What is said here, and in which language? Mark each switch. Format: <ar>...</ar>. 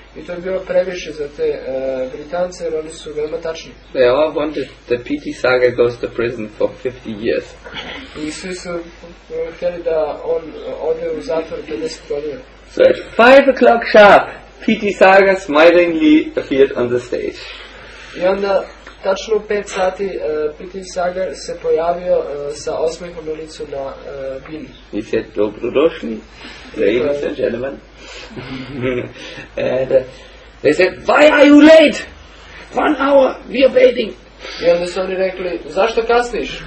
<sr>I to je bilo previše za te Britance, jer oni su veoma tačni.</sr> <en>They all wanted that P.T. Saga goes to prison for 50 years.</en> <sr>I svi su htjeli da on ode u zatvor 50 godina.</sr> <en>So at 5 o'clock sharp, P.T. Saga smilingly appeared on the stage.</en> <sr>I onda, tačno u 5 sati, P.T. Saga se pojavio sa osmehom na licu na bini.</sr> <en>He said, dobrodošli, ladies and gentlemen. And they said, why are you late? 1 hour, we are waiting.</en> <sr>I onda su oni rekli, zašto kasniš?</sr>